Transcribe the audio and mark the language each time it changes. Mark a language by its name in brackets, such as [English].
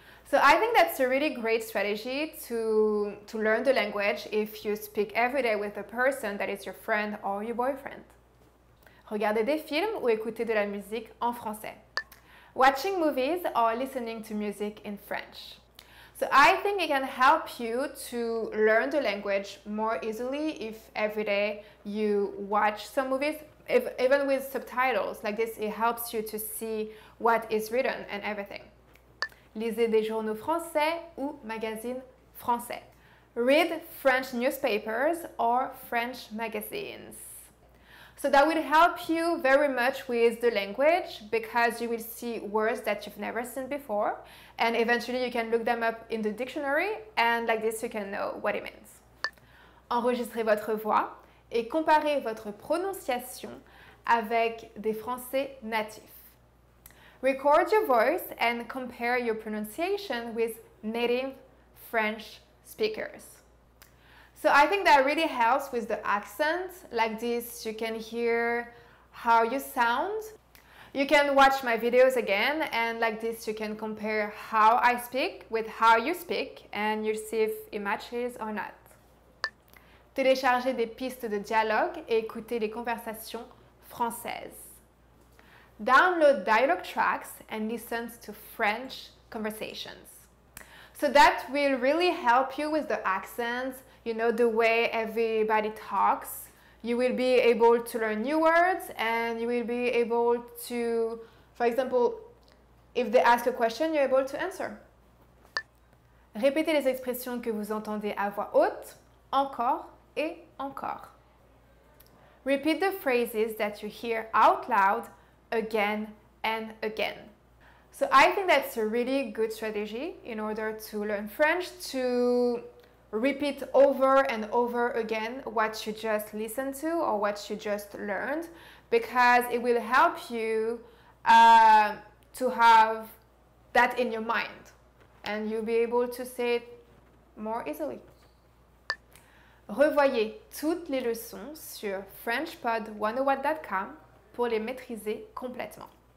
[English] So I think that's a really great strategy to learn the language if you speak every day with a person that is your friend or your boyfriend. [French] Regardez des films ou écoutez de la musique en français. [English] Watching movies or listening to music in French. So I think it can help you to learn the language more easily if every day you watch some movies, even with subtitles like this, it helps you to see what is written and everything. [French] Lisez des journaux français ou magazines français. [English] Read French newspapers or French magazines. So that will help you very much with the language because you will see words that you've never seen before and eventually you can look them up in the dictionary and like this you can know what it means. [French] Enregistrez votre voix et comparez votre prononciation avec des Français natifs. [English] Record your voice and compare your pronunciation with native French speakers. So I think that really helps with the accent. Like this, you can hear how you sound. You can watch my videos again, and like this, you can compare how I speak with how you speak, and you see if it matches or not. [French] Téléchargez des pistes de dialogue et écoutez les conversations françaises. [English] Download dialogue tracks and listen to French conversations. So that will really help you with the accents, you know, the way everybody talks. You will be able to learn new words and you will be able to, for example, if they ask a question, you're able to answer. [French] Répétez les expressions que vous entendez à voix haute, encore et encore. [English] Repeat the phrases that you hear out loud again and again. So I think that's a really good strategy in order to learn French, to repeat over and over again what you just listened to or what you just learned, because it will help you to have that in your mind and you'll be able to say it more easily. [French] Revoyez toutes les leçons sur frenchpod101.com pour les maîtriser complètement.